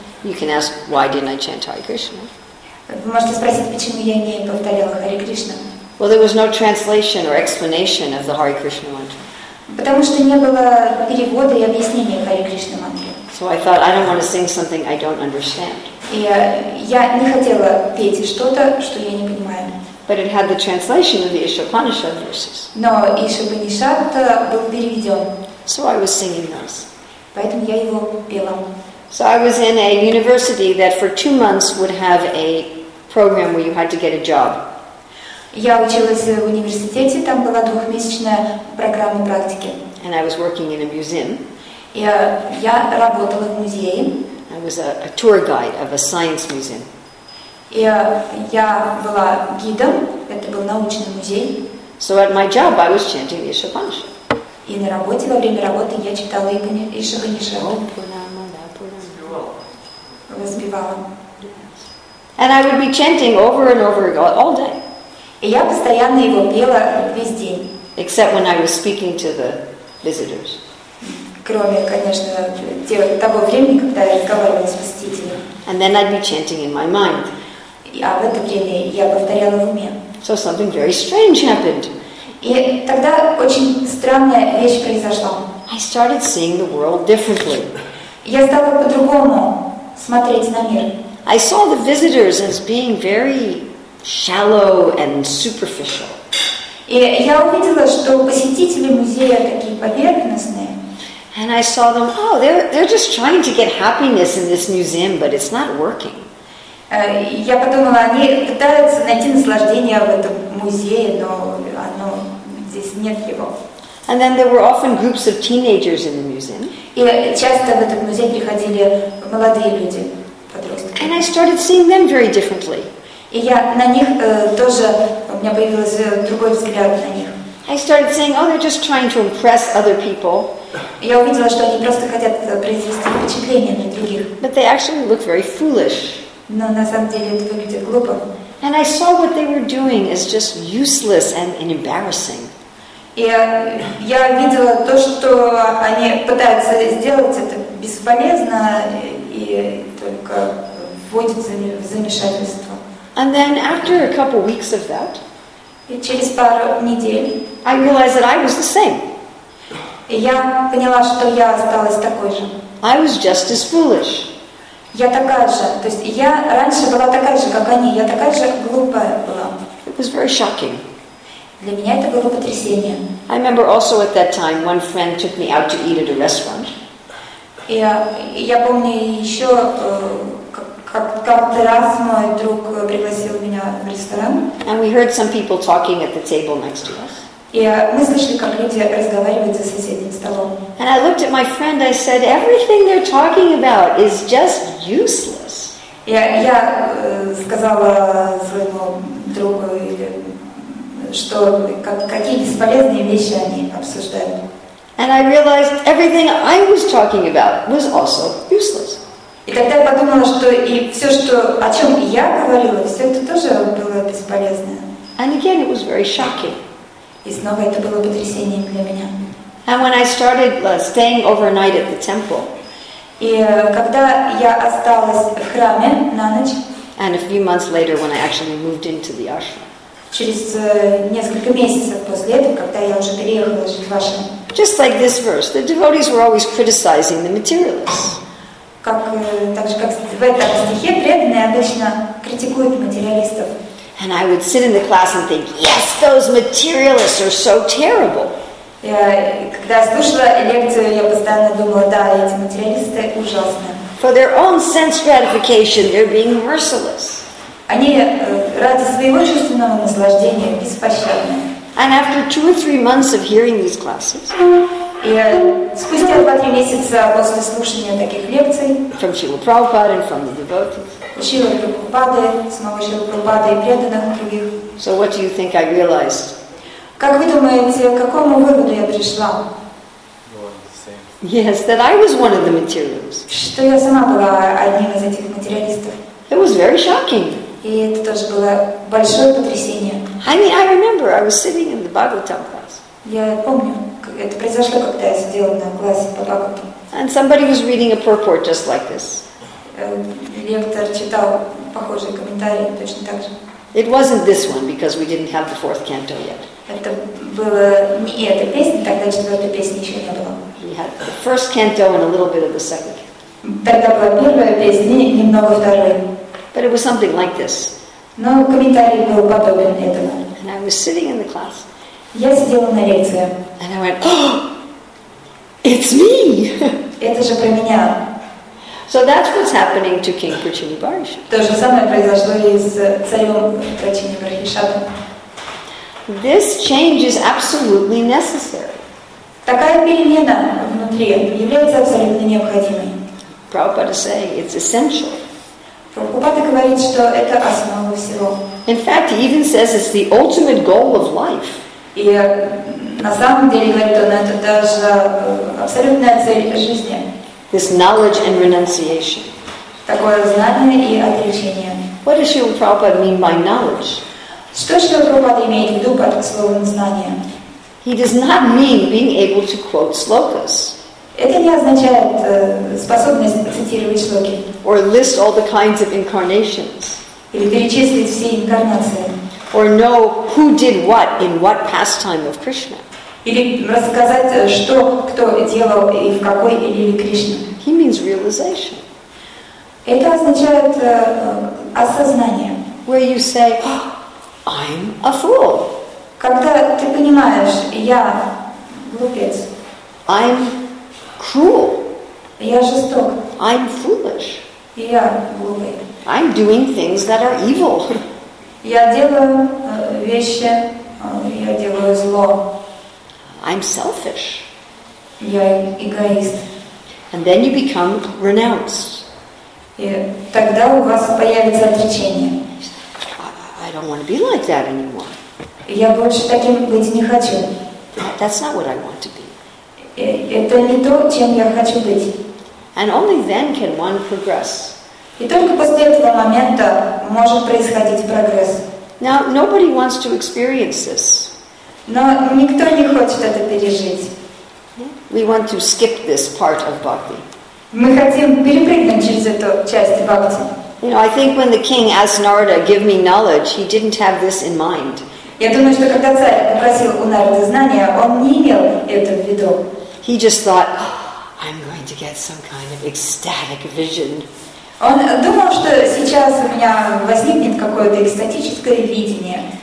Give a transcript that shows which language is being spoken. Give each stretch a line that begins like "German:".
English: You can ask, why didn't I chant Hare Krishna?
Russian: Вы можете спросить, почему я не повторяла Hare Krishna?
English: Well, there was no translation or explanation of the Hare Krishna mantra.
Russian: Потому что не было перевода и объяснения Hare Krishna mantra.
English: So I thought, I don't want to sing something I don't understand.
Russian: И я не хотела петь что-то, что я не понимаю.
English: But it had the translation of the Ishvapanishad verses.
Russian: Но Ishvapanishad был переведен.
English: So I was singing those.
Russian: Поэтому я его пела.
English: So I was in a university that for 2 months would have a program where you had to get a job.
Russian: Я училась в университете, там была двухмесячная программа практики.
English: And I was working in a museum.
Russian: И я работала в музее.
English: I was a tour guide of a science museum.
Russian: Я была гидом. Это был научный музей.
English: So at my job, I was chanting Ishvapanishad.
Russian: И на работе во время работы я читала Ishvapanishad. Разбивала.
English: And I would be chanting over and over all day.
Russian: И я постоянно его пела весь день.
English: Except when I was speaking to the visitors.
Russian: Кроме, конечно, того времени, когда я разговаривала с посетителями.
English: And then I'd be chanting in my mind.
Russian: А в это время я повторяла в уме.
English: So something very strange happened.
Russian: И тогда очень странная вещь произошла.
English: I started seeing the world differently.
Russian: Я стала по-другому смотреть на мир.
English: I saw the visitors as being very shallow and superficial.
Russian: И я увидела, что посетители музея такие поверхностные.
English: And I saw them, oh, they're just trying to get happiness in this museum, but it's not working.
Russian: Я подумала, они пытаются найти наслаждение в этом музее, но оно здесь нет его.
English: And then there were often groups of teenagers in the museum.
Russian: И часто в этот музей приходили молодые люди, подростки.
English: And I started seeing them very differently.
Russian: И я на них тоже, у меня появился другой взгляд на них.
English: I started saying, oh, they're just trying to impress other people.
Russian: Я увидела, что они просто хотят произвести впечатление на других.
English: But they actually look very foolish.
Russian: Но на самом деле это выглядит глупо.
English: And I saw what they were doing as just useless and embarrassing.
Russian: И я видела то, что они пытаются сделать, это бесполезно и только вводит в замешательство.
English: And then after a couple weeks of that,
Russian: и через пару недель,
English: I realized that I was the same.
Russian: Я поняла, что я осталась такой же.
English: I was just as foolish.
Russian: Я такая же. То есть я раньше была такая же, как они. Я такая же глупая была.
English: It was very shocking.
Russian: Для меня это было потрясение.
English: I remember also at that time one friend took me out to eat at a restaurant.
Russian: Я помню еще, как-то раз мой друг пригласил меня в ресторан.
English: And we heard some people talking at the table next to us.
Russian: И мы слышали, как люди разговаривают за соседним столом.
English: And I looked at my friend, I said, everything they're talking about is just useless.
Russian: Я сказала своему другу, что какие бесполезные вещи они обсуждают.
English: And I realized everything I was talking about was also useless.
Russian: И тогда я подумала, что и все, что, о чем я говорила, все это тоже было бесполезное.
English: And again, it was very shocking.
Russian: И снова это было потрясением для меня.
English: And when I started staying overnight at the temple,
Russian: и когда я осталась в храме на ночь,
English: and a few months later when I actually moved into the ashram,
Russian: через несколько месяцев после этого, когда я уже переехала жить в ашрам,
English: just like this verse, the devotees were always criticizing the materialists.
Russian: Как так же, как в этом стихе, преданные обычно критикуют материалистов.
English: And I would sit in the class and think, yes, those materialists are so terrible.
Russian: Когда я слушала лекцию, я постоянно думала, да, эти материалисты ужасные.
English: For their own sense gratification, they're being merciless.
Russian: Они ради своего чувственного наслаждения беспощадны.
English: And after two or three months of hearing these classes,
Russian: спустя 2-3 месяца после слушания таких лекций,
English: from Srila Prabhupada and from the devotees,
Russian: Шрила Прабхупады, снова Шрила Прабхупады и преданных других.
English: So what do you think I realized?
Russian: Как вы думаете, к какому выводу я пришла?
English: Yes, that I was one of the materials.
Russian: Что я сама была одним из этих материалистов.
English: It was very shocking.
Russian: И это тоже было большое потрясение.
English: I mean, I remember, I was sitting in the Bhagavatam class.
Russian: Я помню, это произошло, когда я сидела на классе по Бхагаватам.
English: And somebody was reading a purport just like this.
Russian: Лектор читал похожие комментарии точно так же.
English: It wasn't this one because we didn't have the fourth canto yet.
Russian: Это было не эта песня, тогда четвертой песни еще не было.
English: We had the first canto and a little bit of the second.
Russian: Тогда была первая песня и немного второй.
English: But it was something like this.
Russian: Но комментарий был подобен этому.
English: And I was sitting in the class.
Russian: Я сидела на лекции.
English: And I went, oh, it's me.
Russian: Это же про меня.
English: So that's what's happening to King Prachini Bharisha.
Russian: То же самое произошло и с царем Прачини Брахишадом.
English: This change is absolutely necessary.
Russian: Такая перемена внутри является абсолютно необходимой.
English: Prabhupada say it's essential.
Russian: Прабхупада говорит, что это основа всего.
English: In fact, he even says it's the ultimate goal of life.
Russian: И на самом деле, говорит он, это даже абсолютная цель жизни.
English: This knowledge and renunciation.
Russian: Такое знание и отречение.
English: What does Srila Prabhupada mean by knowledge?
Russian: Что Srila Prabhupada имеет в виду под словом знание?
English: He does not mean being able to quote slokas.
Russian: Это не означает способность цитировать слоки.
English: Or list all the kinds of incarnations.
Russian: Или перечислить все инкарнации.
English: Or know who did what in what pastime of Krishna.
Russian: Или рассказать, что кто делал и в какой лиле Кришны.
English: He means realization.
Russian: Это означает осознание.
English: Where you say, oh, I'm a fool.
Russian: Когда ты понимаешь, я глупец.
English: I'm cruel.
Russian: Я жесток.
English: I'm foolish.
Russian: Я глупый.
English: I'm doing things that are evil.
Russian: Я делаю вещи, я делаю зло.
English: I'm selfish.
Russian: Я эгоист.
English: And then you become renounced.
Russian: И тогда у вас появится отречение.
English: I don't want to be like that anymore.
Russian: Я больше таким быть не хочу.
English: That's not what I want to be.
Russian: Это не то, чем я хочу быть.
English: And only then can one progress.
Russian: И только после этого момента может происходить прогресс.
English: Now, nobody wants to experience this.
Russian: Но никто не хочет это пережить.
English: We want to skip this part of bhakti.
Russian: Мы хотим перепрыгнуть через эту часть бхакти.
English: You know, I think when the king asked Narada, "Give me knowledge," he didn't have this in mind.
Russian: Я думаю, что когда царь попросил у Нарады знания, он не имел это в виду.
English: He just thought, oh, "I'm going to get some kind of ecstatic vision."
Russian: Он думал, что сейчас у меня возникнет какое-то экстатическое видение.